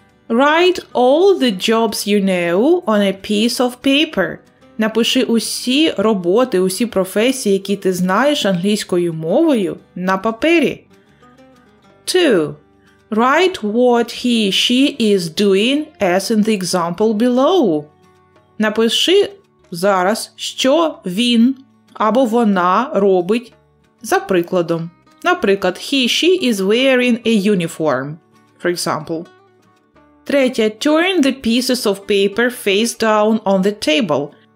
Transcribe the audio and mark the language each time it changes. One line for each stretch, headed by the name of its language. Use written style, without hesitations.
English: Write all the jobs you know on a piece of paper.
Ukrainian: Напиши усі роботи, усі професії, які ти знаєш англійською мовою, на папері. 2.
English: Write what he or she is doing as in the example below.
Ukrainian: Напиши зараз, що він або вона робить за прикладом. Наприклад,
English: he or she is wearing a uniform, for example.
Ukrainian: Третє.
English: Turn the pieces of paper face down on the table.